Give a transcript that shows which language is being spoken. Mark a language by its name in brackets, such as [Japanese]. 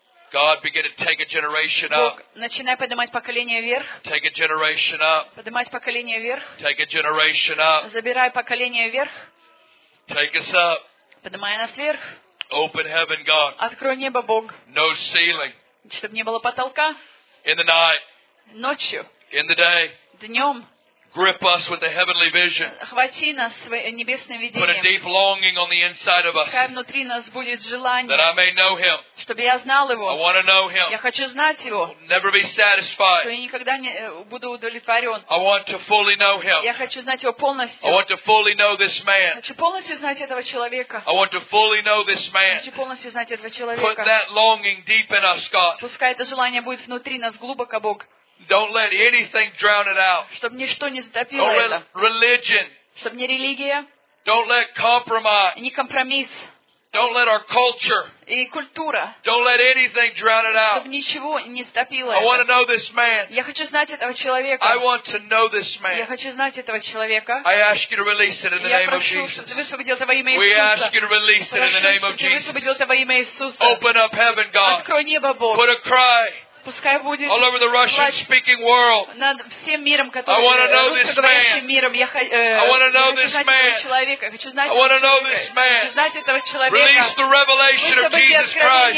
[English] God, begin to take a generation up. [Russian] Начинай поднимать поколение вверх. [English] Take a generation up. [Russian] Поднимать поколение вверх. [English] Take a generation up. [Russian] Забирай поколение вверх. [English] Take us up. [Russian] Поднимай нас вверх. [English] Open heaven, God. [Russian] Открой небо, Бог. [English] No ceiling. [Russian] Чтобы не было потолка. [English] In the night. [Russian] Ночью. [English] In the day. [Russian] Днем. [English] Grip us with a heavenly vision. [Russian] Хвати нас своим небесным видением. [English] Put a deep longing on the inside of us. [Russian] Хай внутри нас будет желание. [English] That I may know Him. [Russian] Чтобы я знал Его. [English] I want to know Him. [Russian] Я хочу знать Его. [English] Never be satisfied. [Russian] Что я никогда не буду удовлетворен. [English] I want to fully know Him. [Russian] Я хочу знать Его полностью. [English] I want to fully know this man. [Russian] Я хочу полностью знать этого человека. [English] I want to fully know this man. [Russian] Я хочу полностью знать этого человека. [English] Put that longing deep in us, God. [Russian] Пускай это желание будет внутри нас глубоко, Бог. [English] Don't let anything drown it out. [Russian] Чтобы ничто не затопило это. [English] Don't let religion. [Russian] Чтобы не религия. [English] Don't let compromise. [Russian] Не компромисс. [English] Don't let our culture. [Russian] И культура. [English] Don't let anything drown it out. [Russian] Чтобы ничего не затопило это. [English] I want to know this man. [Russian] Я хочу знать этого человека. [English] I want to know this man. [Russian] Я хочу знать этого человека. [English] I ask you to release it in the name of Jesus. [Russian] Я прошу, чтобы ты высвободил это во имя Иисуса. [English] We ask you to release it in the name of Jesus. [Russian] Прошу, чтобы ты высвободил это во имя Иисуса. [English] Open up heaven, God. [Russian] Открой небо, Бог. [English] Put a cry. [Russian] Пускай будет [English] all over the Russian-speaking world. [Russian] Над всем миром, который русскоговорящим миром. Я хочу знать этого человека. Я хочу знать этого человека. Хочу знать этого человека. [English] Release the revelation of Jesus Christ.